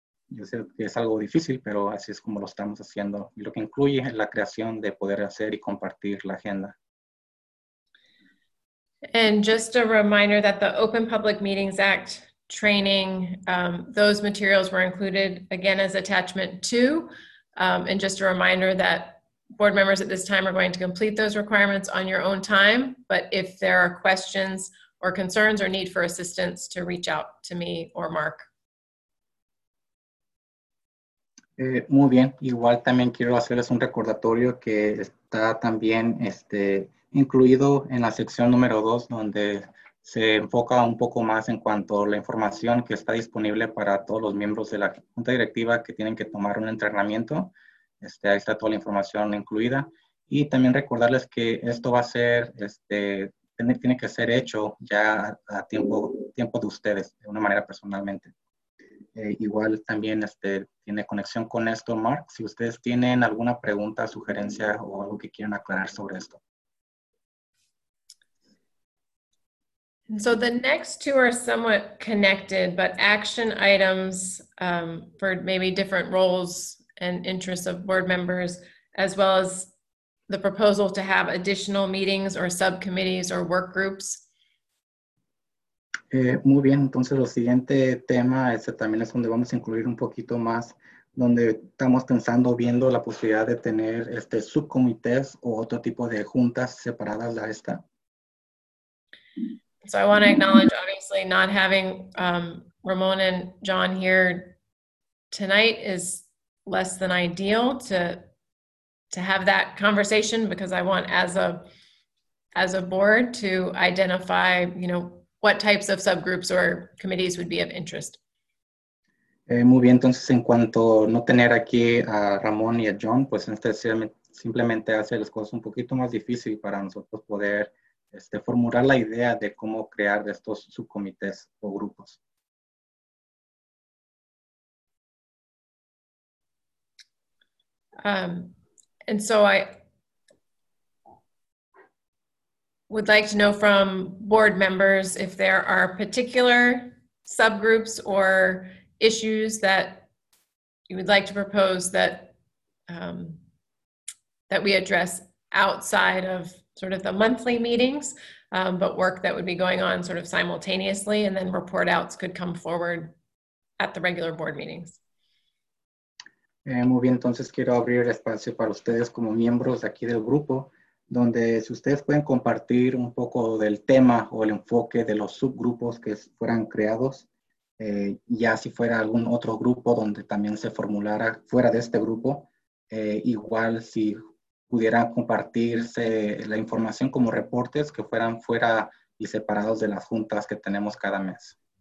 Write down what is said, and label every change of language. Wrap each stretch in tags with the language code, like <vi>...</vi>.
<es>Yo sé que es algo difícil, pero así es como lo estamos haciendo. Y lo que incluye es la creación de poder hacer y compartir la agenda.</es> <en>And just a reminder that the Open Public Meetings Act training, those materials were included again as attachment 2. And just a reminder that board members at this time are going to complete those requirements on your own time. But if there are questions or concerns or need for assistance, to reach out to me or Mark.</en> <es>Muy bien. Igual también quiero hacerles un recordatorio que está también incluido en la sección número 2, donde se enfoca un poco más en cuanto a la información que está disponible para todos los miembros de la junta directiva que tienen que tomar un entrenamiento. Ahí está toda la información incluida. Y también recordarles que esto va a ser, tiene que ser hecho ya a tiempo de ustedes, de una manera personalmente. Igual también tiene conexión con esto, Mark, si ustedes tienen alguna pregunta, sugerencia o algo que quieran aclarar sobre esto.</es> <en>And so the next two are somewhat connected, but action items for maybe different roles and interests of board members, as well as the proposal to have additional meetings or subcommittees or work groups.</en> <es>Muy bien, entonces lo siguiente tema, también es donde vamos a incluir un poquito más, donde estamos pensando, viendo la posibilidad de tener subcomités o otro tipo de juntas separadas de esta.</es> <en>So I want to acknowledge, obviously, not having Ramon and John here tonight is less than ideal to have that conversation, because I want as a board to identify, what types of subgroups or committees would be of interest.</en> <es>Muy bien, entonces en cuanto no tener aquí a Ramon y a John, pues simplemente hace las cosas un poquito más difícil para nosotros poder formular la idea de cómo crear estos subcomités o grupos.</es> <en>And so I would like to know from board members if there are particular subgroups or issues that you would like to propose that that we address outside of sort of the monthly meetings, but work that would be going on sort of simultaneously, and then report outs could come forward at the regular board meetings.</en> <es>Muy bien, entonces quiero abrir espacio para ustedes como miembros de aquí del grupo, donde si ustedes pueden compartir un poco del tema o el enfoque de los subgrupos que fueran creados, Ya si fuera algún otro grupo donde también se formulara fuera de este grupo, igual si pudiera compartirse la información como reportes que fueran fuera y separados de las juntas que tenemos cada mes.</es>